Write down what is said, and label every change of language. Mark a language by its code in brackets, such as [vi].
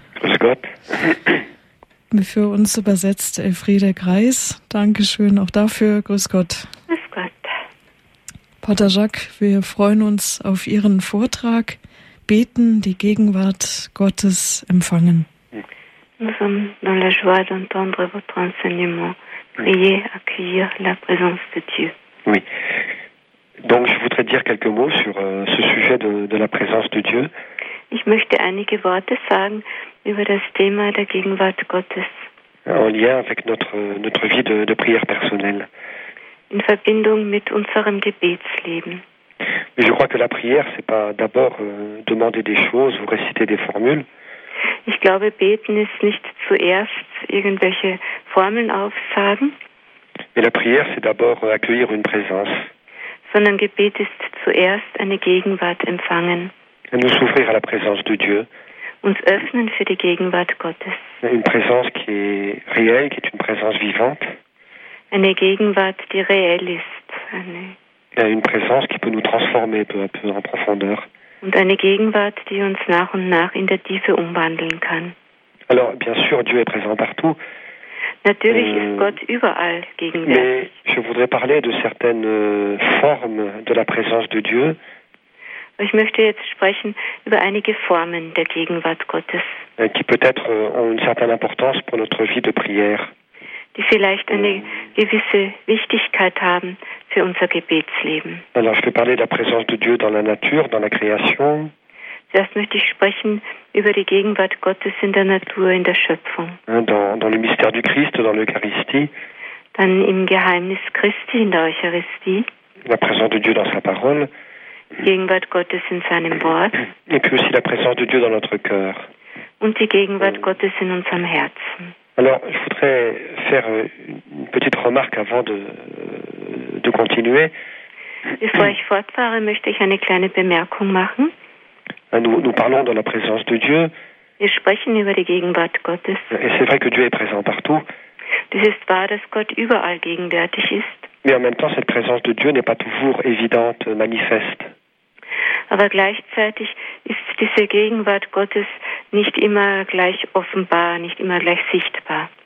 [de] Grüß Gott. Für uns übersetzt Elfriede Greis. Dankeschön auch dafür. Grüß Gott. Grüß Gott. Pater Jacques, wir freuen uns auf Ihren Vortrag. Beten, die Gegenwart Gottes empfangen. [fr] Nous sommes dans la joie d'entendre votre enseignement. Priez, accueillir la présence de Dieu. Oui. Donc, je voudrais dire quelques mots sur ce sujet de la présence de Dieu. [de] Ich möchte einige Worte sagen über das Thema der Gegenwart Gottes. [fr] En lien avec notre vie de prière personnelle. [de] In Verbindung mit unserem Gebetsleben. [fr] Mais je crois que la prière, c'est pas d'abord demander des choses ou réciter des formules. [de] Ich glaube, beten ist nicht zuerst irgendwelche Formeln aufsagen. [fr] Mais la prière, c'est d'abord accueillir une présence. [de] Sondern Gebet ist zuerst eine Gegenwart empfangen. [fr] Et nous ouvrir à la présence de Dieu. [de] Uns öffnen für die Gegenwart Gottes. [fr] Une présence qui est réelle, qui est une présence vivante. [de] Eine Gegenwart, die réell ist. [fr] Une présence qui peut nous transformer peu à peu en profondeur. [de] Und eine Gegenwart, die uns nach und nach in der Tiefe umwandeln kann. [fr] Alors, bien sûr, Dieu est présent partout. [de] Natürlich ist Gott überall gegenwärtig. [fr] Mais je voudrais parler de certaines formes de la présence de Dieu. [de] Ich möchte jetzt sprechen über einige Formen der Gegenwart Gottes. [fr] Qui peut-être ont une certaine importance pour notre vie de prière. [de] Die vielleicht eine gewisse Wichtigkeit haben für unser Gebetsleben. [fr] Alors, je vais parler de la présence de Dieu dans la nature, dans la création. [de] Zuerst möchte ich sprechen über die Gegenwart Gottes in der Natur, in der Schöpfung. [fr] Dans le mystère du Christ, dans l'Eucharistie. [de] Dann im Geheimnis Christi, in der Eucharistie. [fr] La présence de Dieu dans sa parole. [de] Die Gegenwart Gottes in seinem Wort. [fr] Et puis aussi la présence de Dieu dans notre cœur. [de] Und die Gegenwart Gottes in unserem Herzen. [fr] Alors, je voudrais faire une petite remarque avant de continuer. [de] Bevor ich fortfahre, möchte ich eine kleine Bemerkung machen. [fr] Nous parlons de la présence de Dieu. [de] Wir sprechen über die Gegenwart Gottes. [fr] Et c'est vrai que Dieu est présent partout. [de] Das ist wahr, dass Gott überall gegenwärtig ist. [fr] Mais en même temps, cette présence de Dieu n'est pas toujours évidente, manifeste. [de] Aber gleichzeitig ist diese Gegenwart Gottes nicht immer gleich offenbar, nicht immer gleich sichtbar.